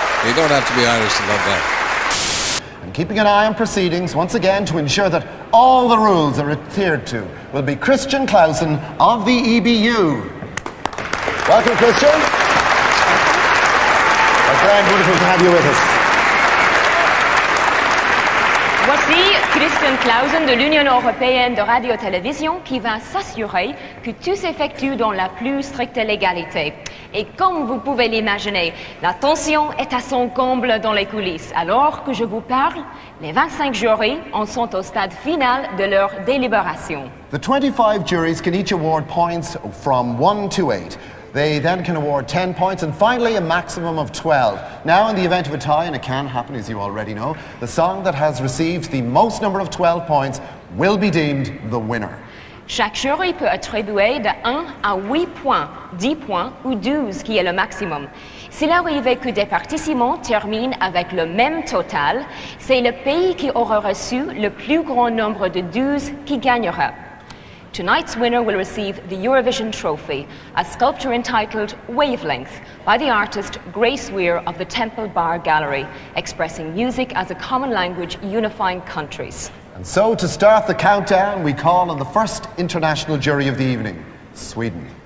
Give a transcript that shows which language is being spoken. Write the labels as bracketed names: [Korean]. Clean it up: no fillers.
[English] You don't have to be Irish to love that. And keeping an eye on proceedings, once again, to ensure that all the rules are adhered to, will be Christian Clausen of the EBU. Welcome, Christian. It's very wonderful to have you with us. [French] Christian Clausen de l'Union européenne de radio-télévision qui va s'assurer que tout s'effectue dans la plus stricte légalité. Et comme vous pouvez l'imaginer, la tension est à son comble dans les coulisses. Alors que je vous parle, les 25 jurys en sont au stade final de leur délibération. [English] The 25 juries can each award points from 1 to 8. They then can award 10 points and finally a maximum of 12. Now, in the event of a tie, and it can happen as you already know, the song that has received the most number of 12 points will be deemed the winner. [French] Chaque jury peut attribuer de 1 à 8 points, 10 points ou 12 qui est le maximum. S'il arrive que des participants terminent avec le même total, c'est le pays qui aura reçu le plus grand nombre de 12 qui gagnera. [English] Tonight's winner will receive the Eurovision trophy, a sculpture entitled Wavelength by the artist Grace Weir of the Temple Bar Gallery, expressing music as a common language unifying countries. And so to start the countdown, we call on the first international jury of the evening, Sweden.